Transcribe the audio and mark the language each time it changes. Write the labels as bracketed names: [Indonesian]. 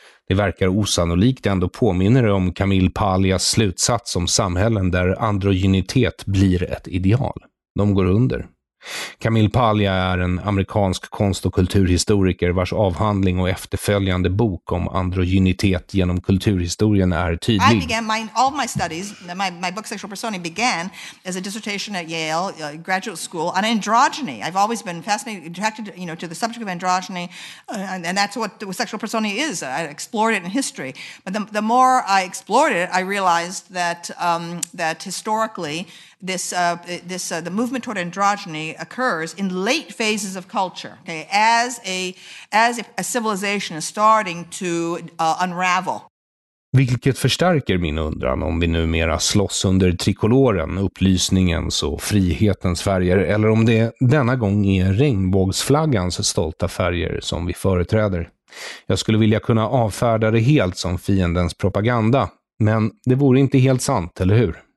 [Swedish] Det verkar osannolikt, ändå påminner det om Camille Paglias slutsats om samhällen där androgynitet blir ett ideal. De går under. Camille Paglia är en amerikansk konst- och kulturhistoriker vars avhandling och efterföljande bok om androgynitet genom kulturhistorien är tydlig. [English] I began all my studies, my book Sexual Persona began as a dissertation at Yale graduate school on androgyny. I've always been fascinated, attracted, you know, to the subject of androgyny, and that's what Sexual Persona is. I explored it in history, but the more I explored it, I realized that that historically the movement toward androgyny occurs in late phases of culture, okay, as a civilization is starting to unravel. [Swedish] Vilket förstärker min undran om vi numera slåss under trikoloren, upplysningens och frihetens färger, eller om det denna gång är regnbågsflaggans stolta färger som vi företräder. Jag skulle vilja kunna avfärda det helt som fiendens propaganda, men det vore inte helt sant, eller hur?